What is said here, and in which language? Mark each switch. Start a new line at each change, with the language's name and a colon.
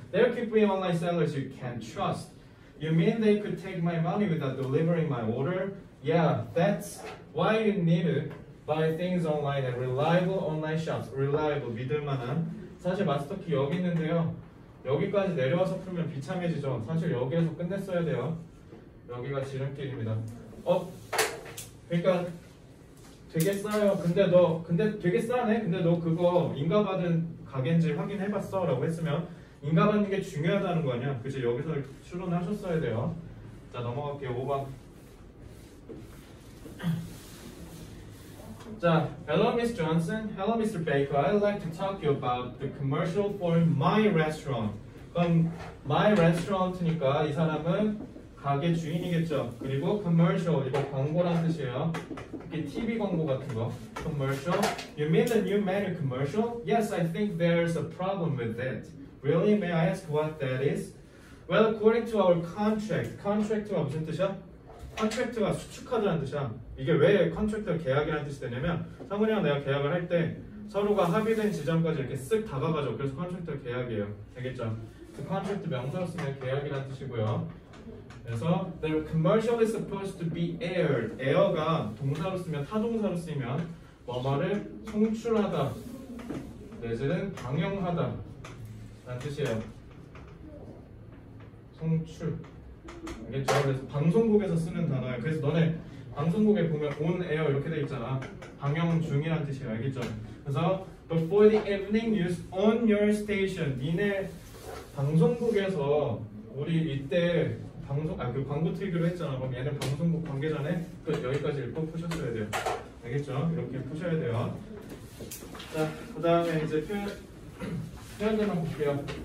English: There could be online sellers you can't trust. You mean they could take my money without delivering my order? Yeah, that's why you need to buy things online at reliable online shops.
Korean: Reliable, 믿을만한. 사실 마스터키 여기 있는데요. 여기까지 내려와서 풀면 비참해지죠. 사실 여기에서 끝냈어야 돼요. 여기가 지름길입니다. 어? 그러니까 되게 싸요. 근데 너, 근데 되게 싸네? 근데 너 그거 인가받은 가게인지 확인해봤어? 라고 했으면 인가받는 게 중요하다는 거 아니야? 그치? 여기서 추론하셨어야 돼요. 자, 넘어갈게요. 5번.
English: 자, Hello Miss Johnson. Hello Mr. Baker. I'd like to talk to you about the commercial for my restaurant.
Korean: 그럼
English: my restaurant
Korean: 니까 이 사람은 가게 주인이겠죠. 그리고 commercial, 이거 광고란 뜻이에요. 이게 TV 광고 같은 거. Commercial.
English: You mean the new menu commercial? Yes, I think there's a problem with that. Really? May I ask what that is? Well, according to our contract, contract가
Korean: 무슨 뜻이야? Contract가 수축하자는 뜻이야. 이게 왜 contract가 계약이라는 뜻이 되냐면 상훈이랑 내가 계약을 할 때 서로가 합의된 지점까지 이렇게 쓱 다가가죠. 그래서 contract가 계약이에요. 되겠죠? Contract 명사로 쓰면 계약이라는 뜻이고요.
English: 그래서 the commercial is supposed to be aired.
Korean: air가 동사로 쓰면 타동사로 쓰면 뭐뭐를 송출하다 내지는 방영하다 라는 뜻이에요. 송출. 알겠죠? 그래서 방송국에서 쓰는 단어예요. 그래서 너네 방송국에 보면 on air 이렇게 돼 있잖아. 방영 중이란 뜻이에요. 알겠죠?
English: 그래서 before the evening news on your station.
Korean: 니네 방송국에서 우리 이때 방송 아 그 광고 틀기로 했잖아. 그럼 얘는 방송국 관계자네. 그 여기까지 꼭 푸셨어야 돼요. 알겠죠? 이렇게 푸셔야 돼요. 자, 그다음에 이제 표현들 한번 볼게요.